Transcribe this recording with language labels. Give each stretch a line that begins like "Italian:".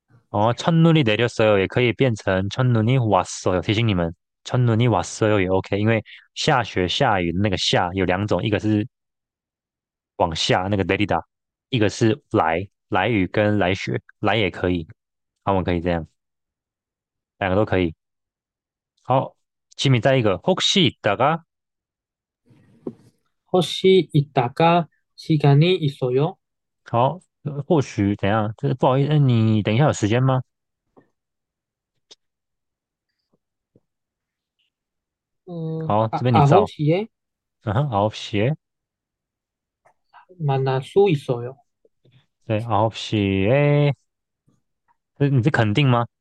Korean: 哦，첫눈이 내렸어요
Chinese: 也可以变成
Korean: 첫눈이 왔어요。
Chinese: 提醒你们，
Korean: 첫눈이 왔어요
Chinese: 也 OK，因为下雪下雨的那个下有两种，一个是往下那个
Korean: 내리다，
Chinese: 一个是来雨跟来雪，来也可以，他们可以这样，两个都可以。好，지미再一个，
Korean: 혹시있다가？ 혹시 있다가 시간이 있어요?
Chinese: 好，或许怎样？这不好意思，你等一下有时间吗？好，这边你找。
Korean: 9시에 嗯哼，아홉시에。 만날 수 있어요.
Chinese: 对，
Korean: 아홉시에。
Chinese: 你这肯定吗？